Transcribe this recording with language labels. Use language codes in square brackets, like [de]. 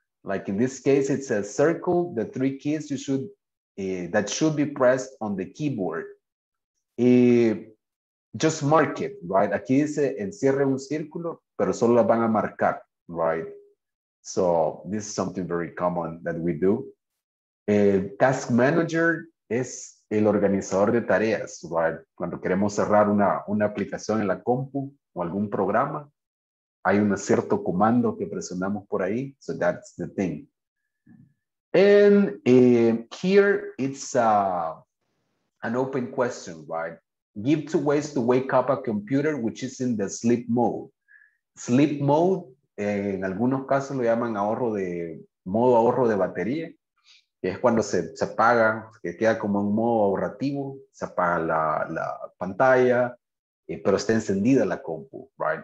[en] Like in this case, it says circle the three keys you should that should be pressed on the keyboard. Just mark it, right? [es] Aquí dice encierre un círculo, pero solo la van a marcar, right? [en] So this is something very common that we do. [es] Task manager es el organizador de tareas, right? Cuando queremos cerrar una aplicación en la compu o algún programa, hay un cierto comando que presionamos por ahí. [en] So that's the thing. And here it's an open question, right? Give two ways to wake up a computer which is in the sleep mode. [es] Sleep mode, en algunos casos lo llaman modo ahorro de batería, que es cuando se apaga, que queda como un modo ahorrativo, se apaga la pantalla, pero está encendida la compu, right?